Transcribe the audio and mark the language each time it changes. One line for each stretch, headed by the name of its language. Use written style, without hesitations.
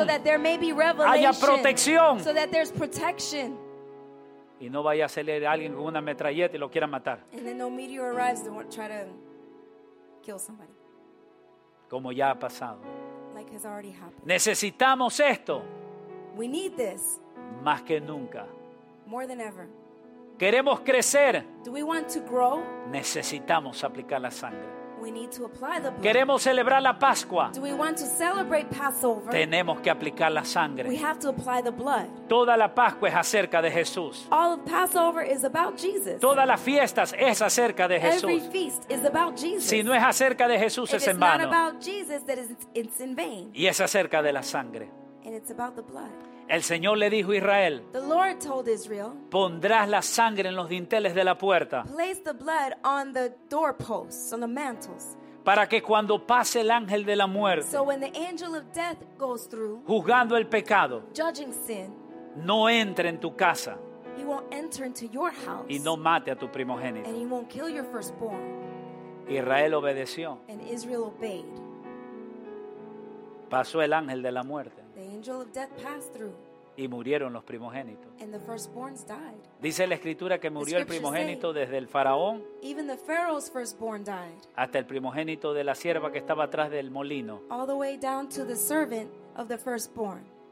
English: so that there may be revelation,
Spanish: haya protección,
English: so that there's protection.
Spanish: Y no vaya a salir alguien con una metralleta y lo quiera matar.
English: And then no meteor arrives to try to kill somebody.
Spanish: Como ya ha pasado.
English: Like has already happened.
Spanish: Necesitamos esto.
English: We need this.
Spanish: Más que nunca.
English: More than ever.
Spanish: Queremos crecer.
English: Do we want to grow?
Spanish: Necesitamos aplicar la sangre.
English: We need to apply the blood.
Spanish: Queremos celebrar la Pascua.
English: Do we want to celebrate Passover?
Spanish: Tenemos que aplicar la sangre.
English: We have to apply the blood.
Spanish: Toda la Pascua es acerca de Jesús.
English: All of Passover is about Jesus.
Spanish: Todas las fiestas es acerca de Jesús.
English: Every feast is about Jesus.
Spanish: Si no es acerca de Jesús,
English: if
Spanish: es en vano.
English: It's not about Jesus, that it's in vain.
Spanish: Y es acerca de la sangre.
English: And it's about the blood.
Spanish: El Señor le dijo a Israel,
English: the Lord told Israel,
Spanish: pondrás la sangre en los dinteles de la puerta.
English: Place the blood on the doorposts, on the mantles.
Spanish: Para que cuando pase el ángel de la muerte,
English: so when the angel of death goes through,
Spanish: juzgando el pecado,
English: judging sin,
Spanish: no entre en tu casa.
English: He won't enter into your house,
Spanish: y no mate a tu primogénito.
English: And he won't kill your firstborn.
Spanish: Israel obedeció.
English: And Israel obeyed.
Spanish: Pasó el ángel de la muerte.
English: The angel of death passed through.
Spanish: Y murieron los primogénitos.
English: And the firstborns died.
Spanish: Dice la escritura que murió el primogénito desde el faraón.
English: Even the Pharaoh's firstborn died.
Spanish: Hasta el primogénito de la sierva que estaba atrás del molino.
English: All the way down to the servant of the firstborn.